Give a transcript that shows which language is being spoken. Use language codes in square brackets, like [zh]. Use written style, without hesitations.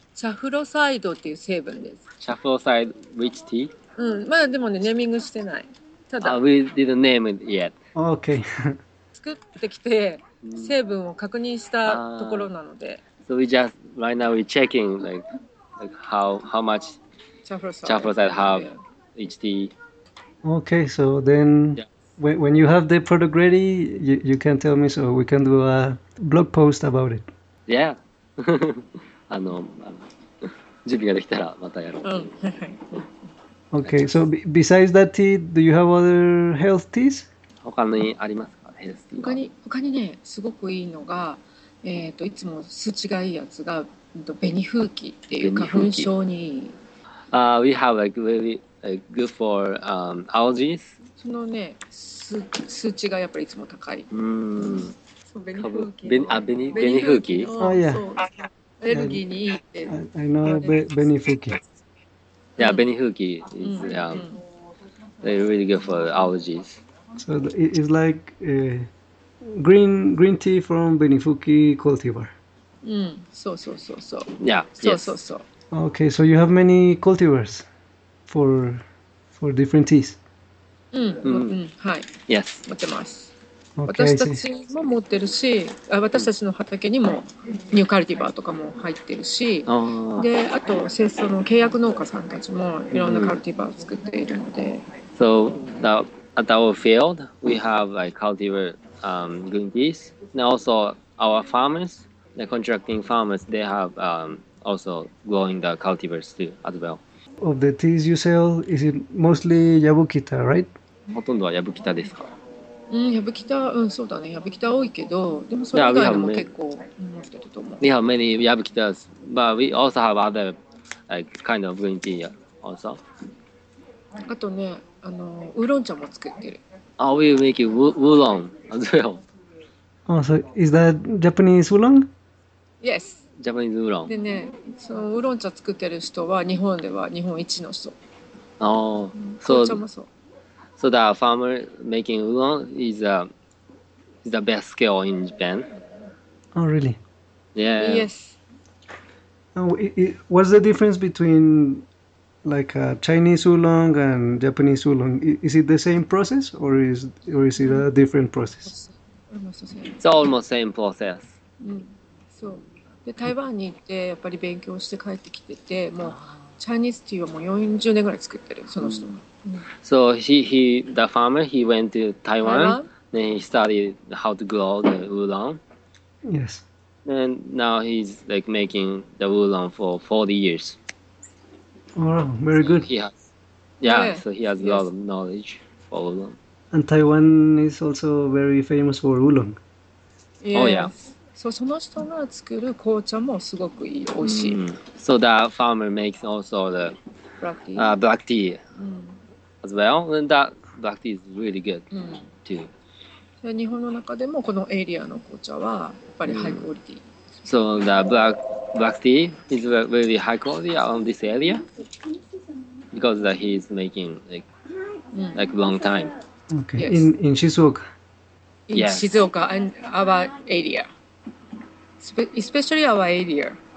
[ja] チャフロサイドっていう成分です。 [en] チャフロサイド which tea? [ja] まだでもねネーミングしてない。ただ。 [en] We didn't name it yet. Okay. [ja] 作ってきて成分を確認したところなので。 [en] So we just right now we checking like how much [ja] チャフロサイド [en] have each tea. Okay, so then when you have the product ready, you can tell me so we can do a blog post about it. Yeah. [ja] 準備ができたらまたやろう。 [en] Okay, so besides that tea, do you have other health teas? [ja] 他にありますか、ヘルス tea は。他にね、すごくいいのが、いつも数値がいいやつが、紅風紀っていう花粉症に。 [en] We have like really... good for allergies. [ja] そのね、数値がやっぱりいつも高い。ベニフーキ。あ、いや。アレルギーにいいって。 [en] I know ベニフーキ。 Yeah, ベニフーキ is really good for allergies. So it's like green tea from ベニフーキ cultivar. [ja] そう。 [en] Yeah. [ja] そう。 [en] Okay, so you have many cultivars. For different teas. [ja] はい。 [en] Yes. [ja] 持ってます。私たちも持ってるし、私たちの畑にもニューカルティバーとかも入ってるし、で、あと、生産の契約農家さんたちもいろんなカルティバーを作っているので。 [en] So, at our field, we have like cultivar green teas. And also, our farmers, the contracting farmers, they have also growing the cultivars too, as well. Of the teas you sell, is it mostly Yabukita, right? [ja] ほとんどは Yabukita ですか。 Yabukita、そうだね。Yabukita 多いけど、でもそれ以外も結構持ってると思う。 [en] We have many Yabukitas, but we also have other like kind of green tea also. [ja] あとね、ウーロン茶も作ってる。 [en] I will make it wulong as well. Oh, so is that Japanese wulong? Yes. Japanese wulong. [ja] でね、そのウーロン茶作ってる人は日本では日本一の人。 [en] Oh, so. [ja] 紅茶もそう。 [en] So the farmer making wulong is the best skill in Japan. Oh, really? Yeah. Yes. What's the difference between like a Chinese oolong and Japanese oolong? Is it the same process or is it a different process? It's almost the same process. [ja] So, で台湾に行ってやっぱり勉強して帰ってきてて、もうチャイニーズティーはもう40年ぐらい作ってるその人。 [en] So he the farmer he went to Taiwan, then he studied how to grow the oolong. Yes. And now he's like making the wulong for 40 years. Wow, very good. He has, yeah, so he has a lot of knowledge for wulong. And Taiwan is also very famous for wulong. Yes. Oh, yeah. [ja] So, その人が作る紅茶もすごくいい、美味しい。 [en] So, the farmer makes also the black tea, as well. And that black tea is really good, too. [ja] 日本の中でもこのエリアの紅茶はやっぱりハイクオリティ。 [en] So the black tea is really high quality around this area because that he is making like long time. Okay. Yes. In Shizuoka. Yes. In Shizuoka and our area, especially our area.